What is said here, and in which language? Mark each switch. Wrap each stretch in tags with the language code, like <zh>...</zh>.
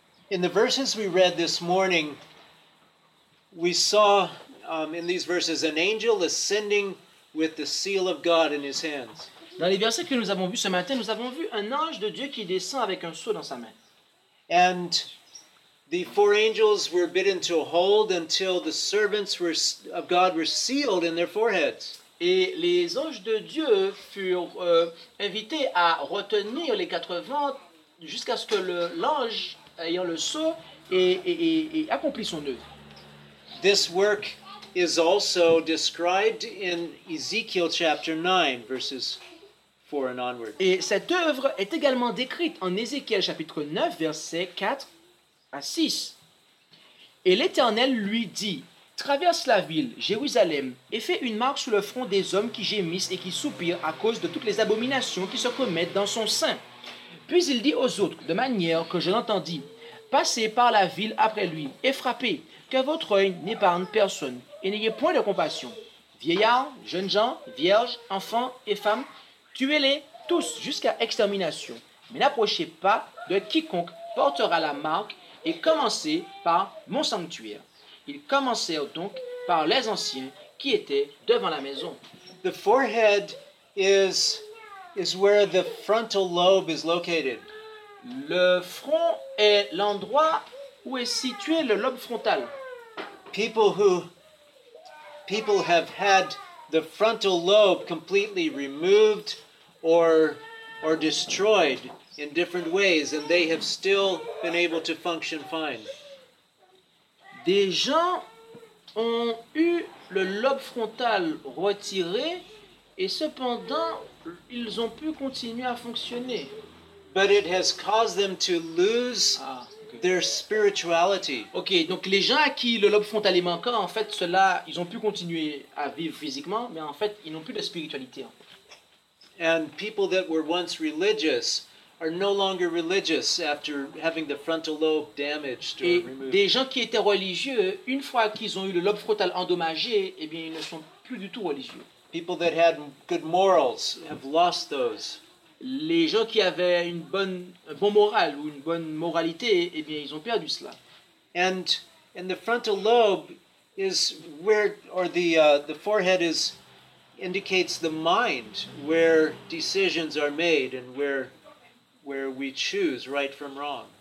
<en>In the verses we read this morning, we saw in these verses an angel ascending with the seal of God in his hands.</en> <fr>Dans les versets que nous avons vus ce matin, nous avons vu un ange de Dieu qui descend avec un sceau dans sa main.</fr> <en>And the four angels were bidden to hold until the servants were of God were sealed in their foreheads.</en> <fr>Et les anges de Dieu furent invités à retenir les quatre vents jusqu'à ce que l'ange ayant le sceau et accomplisse son œuvre.</fr> <en>This work is also described in Ezekiel chapter 9 verses 4 and onward.</en> <fr>Et cette œuvre est également décrite en Ézéchiel chapitre 9 versets 4 à 6. Et l'Éternel lui dit: traverse la ville, Jérusalem, et fais une marque sur le front des hommes qui gémissent et qui soupirent à cause de toutes les abominations qui se commettent dans son sein. Puis il dit aux autres, de manière que je l'entendis: passez par la ville après lui, et frappez, que votre œil n'épargne personne, et n'ayez point de compassion. Vieillards, jeunes gens, vierges, enfants et femmes, tuez-les tous jusqu'à extermination, mais n'approchez pas de quiconque portera la marque, et commencez par mon sanctuaire. Ils commencèrent donc par les anciens qui étaient devant la maison.</fr> <en>The forehead is where the frontal lobe is located.</en> <fr>Le front est l'endroit où est situé le lobe frontal.</fr> <en>People have had the frontal lobe completely removed or destroyed in different ways, and they have still been able to function fine.</en> <fr>Des gens ont eu le lobe frontal retiré et cependant ils ont pu continuer à fonctionner.</fr> <en>But it has caused them to lose their spirituality.</en> <fr>OK, donc les gens à qui le lobe frontal est manquant, en fait, cela, ils ont pu continuer à vivre physiquement, mais en fait, ils n'ont plus de spiritualité.</fr> <en>And people that were once religious are no longer religious after having the frontal lobe damaged or removed.</en> <fr>Des gens qui étaient religieux, une fois qu'ils ont eu le lobe frontal endommagé, eh bien, ils ne sont plus du tout religieux.</fr> <en>People that had good morals have lost those.</en> <fr>Les gens qui avaient un bon moral ou une bonne moralité, eh bien, ils ont perdu cela.</fr> <en>And the frontal lobe is where, or the forehead is, indicates the mind, where decisions are made and where we choose right from wrong.</en>